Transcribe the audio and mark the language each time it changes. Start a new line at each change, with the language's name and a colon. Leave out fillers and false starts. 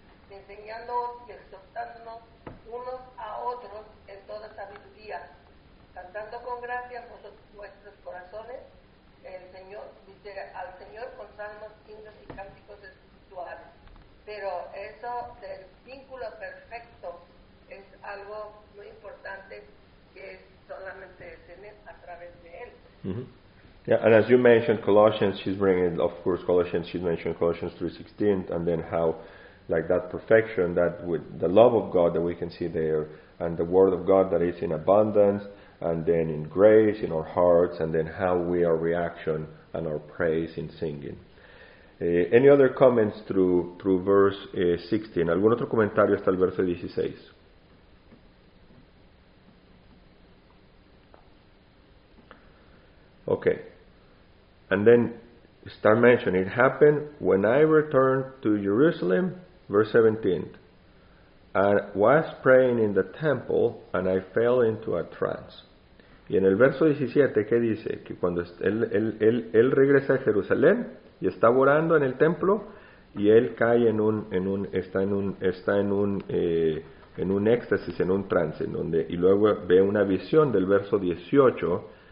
Spanish: enseñándonos y exhortándonos unos a otros en toda sabiduría, cantando con gracia nuestros corazones el Señor, dice, al Señor con salmos, himnos y cánticos espirituales. Pero eso del vínculo perfecto es algo muy importante, que es solamente tener a través de Él.
English: Yeah, and as you mentioned Colossians, she's bringing, of course, Colossians, she's mentioned Colossians 3:16, and then how, like, that perfection, that with the love of God that we can see there, and the Word of God that is in abundance, and then in grace, in our hearts, and then how we are reaction and our praise in singing. Any other comments through verse 16?
Spanish: ¿Algún otro comentario hasta el verso 16?
English: Okay. And then start mentioning, it happened when I returned to Jerusalem, verse 17, I was praying in the temple and I fell into a trance.
Spanish: Y en el verso 17, ¿qué dice? Que cuando él regresa a Jerusalén y está orando en el templo y él cae en un éxtasis, en un trance, en donde, y luego ve una visión del verso 18.